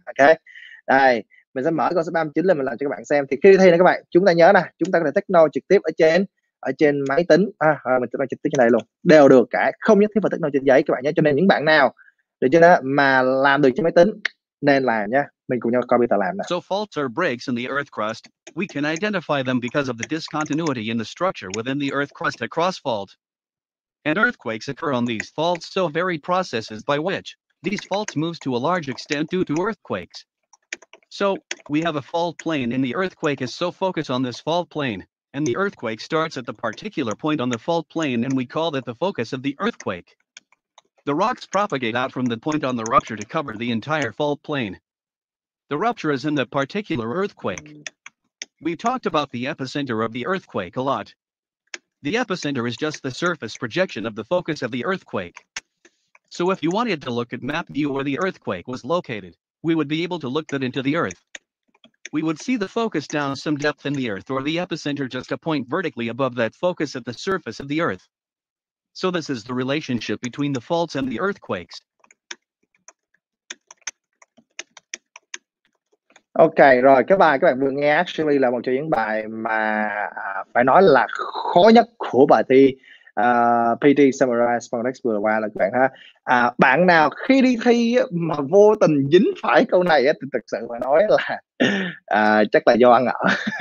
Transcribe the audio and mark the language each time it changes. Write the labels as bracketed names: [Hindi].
[Vietnamese] Ok, đây mình sẽ mở câu số 39 lên, mình làm cho các bạn xem. Thì khi thi này các bạn, chúng ta nhớ nè, chúng ta có thể take note trực tiếp ở trên máy tính, mình sẽ trực tiếp trên đây luôn, đều được cả, không nhất thiết phải tích nó trên giấy các bạn nhé. Cho nên những bạn nào được chưa đó mà làm được trên máy tính nên làm nhé. Mình cùng nhau coi bây giờ làm nè. [English] So faults or breaks in the earth crust, we can identify them because of the discontinuity in the structure within the earth crust at cross fault. And earthquakes occur on these faults, so varied processes by which these faults moves to a large extent due to earthquakes. So we have a fault plane and the earthquake is so focused on this fault plane. And the earthquake starts at the particular point on the fault plane, and we call that the focus of the earthquake. The rocks propagate out from the point on the rupture to cover the entire fault plane. The rupture is in the particular earthquake. We talked about the epicenter of the earthquake a lot. The epicenter is just the surface projection of the focus of the earthquake. So if you wanted to look at map view where the earthquake was located, we would be able to look that into the earth. We would see the focus down some depth in the earth or the epicenter just a point vertically above that focus at the surface of the earth. So this is the relationship between the faults and the earthquakes. [Vietnamese] Ok, rồi cái bài các bạn vừa nghe actually là một trong những bài mà phải nói là khó nhất của bài thi PT Summarize Spoken Text vừa qua là các bạn ha. Bạn nào khi đi thi mà vô tình dính phải câu này thì thực sự phải nói là chắc là do ăn ở.